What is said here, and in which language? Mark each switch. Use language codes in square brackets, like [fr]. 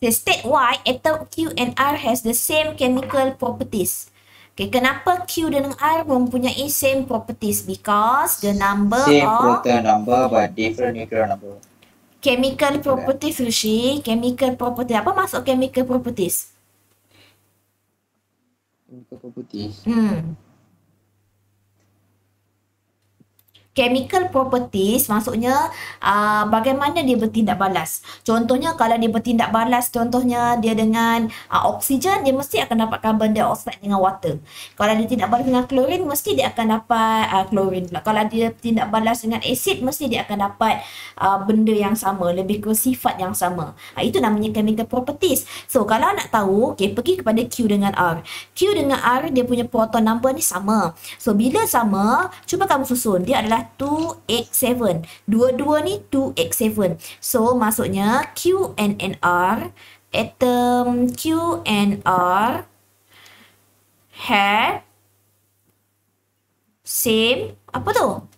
[en] So, state Y, atom Q and R has the same chemical properties. [ms] Okay, kenapa Q dan R mempunyai [en] same properties? Because the number same of... Same proton number but different nuclear number. Chemical properties, Rishi. Chemical properties. [ms] Apa maksud [en] chemical properties? Chemical properties. [ms] Chemical properties maksudnya bagaimana dia bertindak balas. Contohnya kalau dia bertindak balas, contohnya dia dengan oksigen, dia mesti akan dapat carbon dioxide dengan water. Kalau dia tindak balas dengan klorin, mesti dia akan dapat klorin. Kalau dia bertindak balas dengan asid, mesti dia akan dapat benda yang sama, lebih kurang sifat yang sama. Itu namanya chemical properties. [en] So [ms] kalau nak tahu, okay, pergi kepada Q dengan R. Q dengan R dia punya proton number ni sama. So bila sama, cuba kamu susun, dia adalah 2x7. Dua-dua ni 2x7. So maksudnya [en] Q and NR, atom Q and R have same [ms] apa tu?